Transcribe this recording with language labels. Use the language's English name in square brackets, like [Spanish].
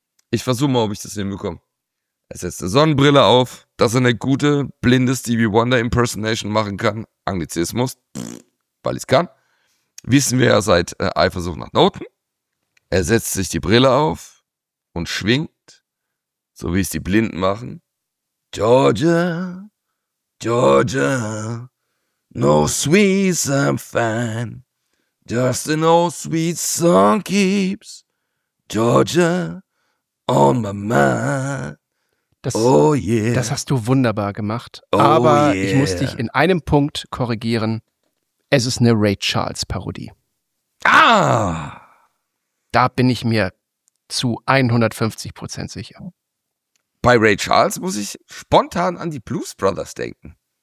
[German] Ich versuche mal, ob ich das hinbekomme. Er setzt eine Sonnenbrille auf, dass er eine gute, blinde Stevie Wonder Impersonation machen kann. Anglizismus. Weil ich es kann. Wissen wir ja seit Eifersucht nach Noten. Er setzt sich die Brille auf und schwingt. So wie es die Blinden machen. [English] Georgia, Georgia, no sweet sound fan, just an old sweet song keeps Georgia on my mind. [German] Das, oh yeah. Das hast du wunderbar gemacht. Oh aber yeah. Ich muss dich in einem Punkt korrigieren. Es ist eine Ray Charles Parodie. Ah! Da bin ich mir zu 150% sicher. Bei Ray Charles muss ich spontan an die Blues Brothers denken.